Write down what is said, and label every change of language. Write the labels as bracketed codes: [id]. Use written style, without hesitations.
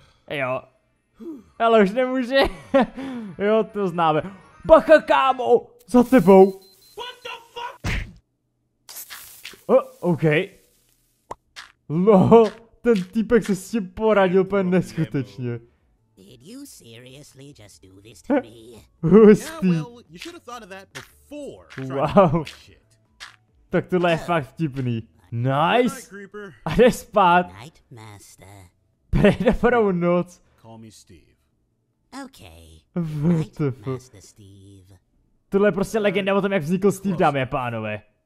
[cs] Jo. Ale už nemůže. Jo, to známe. Bacha, kámo! Za tebou! OK. No, ten týpek se s tím poradil úplně neskutečně. [en] Did you seriously just do this to me? Hustý. Yeah, well, you should have thought of that before. Wow. Shit. [cs] Tak tohle je fakt vtipný. [en] Nice. Good night, [cs] a jde spát. [en] Night, master. [cs] Prej dobrou noc. [en] Call me Steve. Okay. What the fuck? Steve. [cs] Tohle je prostě legenda o tom, jak vznikl Steve, dámy a pánové.